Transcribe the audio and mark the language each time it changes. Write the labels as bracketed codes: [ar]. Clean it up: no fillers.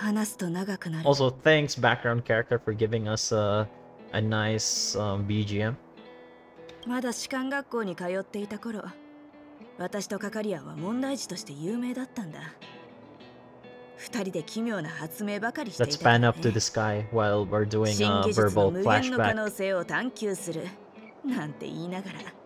[ja] 話すと長くなる。 [en] Also, thanks background character for giving us a nice BGM. [ja] まだ士官学校に通っていた頃、私とカカリアは問題児として有名だったんだ。二人で奇妙な発明ばかりしていた。 [en] Let's pan up to the sky while we're doing a verbal flashback. [ja] 新技術の無限の可能性を探求するなんて言いながら。